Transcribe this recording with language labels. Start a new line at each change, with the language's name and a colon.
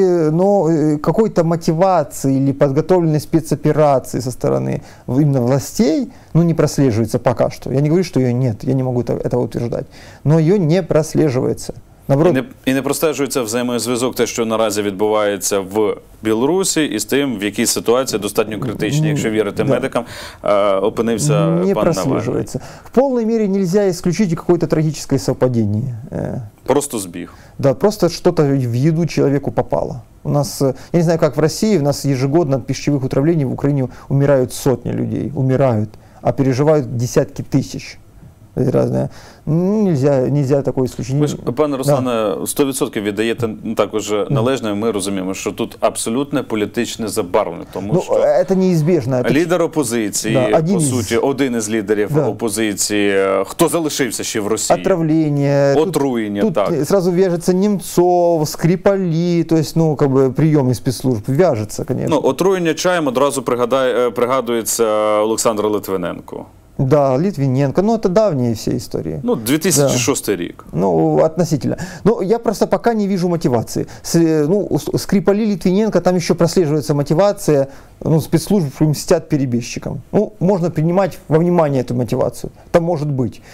Russian: Но какой-то мотивации или подготовленной спецоперации со стороны именно властей не прослеживается пока что. Я не говорю, что ее нет, я не могу этого утверждать. Но ее не прослеживается.
Ukrainian: І не простежується взаємозв'язок те, що наразі відбувається в Білорусі, і з тим, в якій ситуації достатньо критичній, якщо вірити медикам, опинився пан Навальний. Не прослежується. В повній мірі не можна ісключити якесь трагічне совпадіння. Просто збіг. Да, просто щось в їду чоловіку попало. У нас, я не знаю, як в Росії, у нас ежегодно від пищевых отравлений в Україні умирають сотні людей, умирають, а переживають десятки тисяч.
Russian: Разное. Нельзя такой исключение.
Ukrainian: Пане Руслане, 100% віддаєте також належне. Ми розуміємо, що тут абсолютно політичне забарвлення, тому що
Russian: це неизбежно.
Ukrainian: Лідер опозиції, по суті, один із лідерів опозиції, хто залишився ще в Росії? Отравлення, отруєння, так. Тут зразу в'яжеться Німцов, Скрипалі, тобто, прийоми спецслужб в'яжеться, звісно. Отруєння чаєм одразу пригадується Олександр Литвиненко.
Russian: Да, Литвиненко. Ну, это давние все истории.
Ukrainian: Ну, 2006 рік.
Russian: Ну, относительно. Но я просто пока не вижу мотивации. Скрипали, Литвиненко, там еще прослеживается мотивация. Ну, спецслужбы мстят перебежчикам. Ну, можно принимать во внимание эту мотивацию. Там может быть.